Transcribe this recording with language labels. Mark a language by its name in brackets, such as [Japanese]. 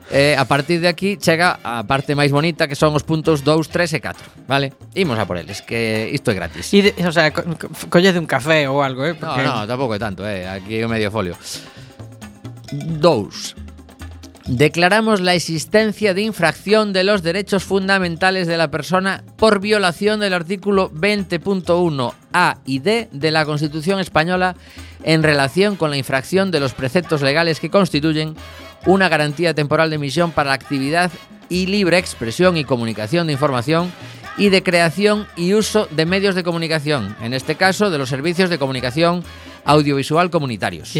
[Galician] A partir de aquí chega a parte máis bonita, que son os puntos 2, 3 e 4. Vale? Imos a por eles, que isto é gratis. Collede un café ou algo, eh? Porque... No, tampouco é tanto, Aquí é medio folio. 2. [Spanish] Declaramos la existencia de infracción de los derechos fundamentales de la persona por violación del artículo 20.1a y d de la Constitución Española en relación con la infracción de los preceptos legales que constituyen una garantía temporal de emisión para la actividad y libre expresión y comunicación de información y de creación y uso de medios de comunicación, en este caso de los servicios de comunicación audiovisual comunitarios.